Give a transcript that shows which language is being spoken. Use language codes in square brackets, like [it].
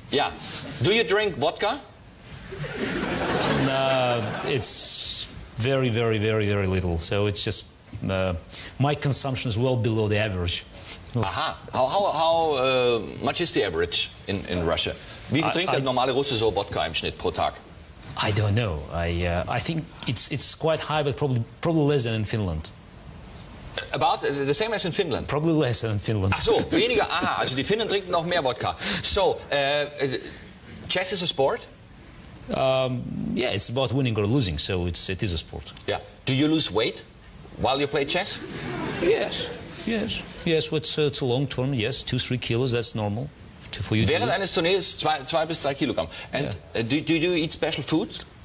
[en] Yeah. Do you drink vodka? No, it's very, very, very, very little. So it's just my consumption is well below the average. Aha, how much is the average in Russia? [de] Wie viel trinkt ein normaler Russe so Wodka im Schnitt pro Tag? [en] I don't know. I think it's quite high, but probably less than in Finland. About the same as in Finland? Probably less than in Finland. [de] Ach so, weniger, aha, also die Finnen trinken noch mehr Wodka. [en] So, chess is a sport? Yeah, it's about winning or losing, so it is a sport. Yeah. Do you lose weight while you play chess? Yes. Yes, yes, it's a long term, yes, 2-3 kilos, that's normal for you. [de] Während eines Turniers 2-3 Kilogramm. [en] And yeah. Do you eat special food?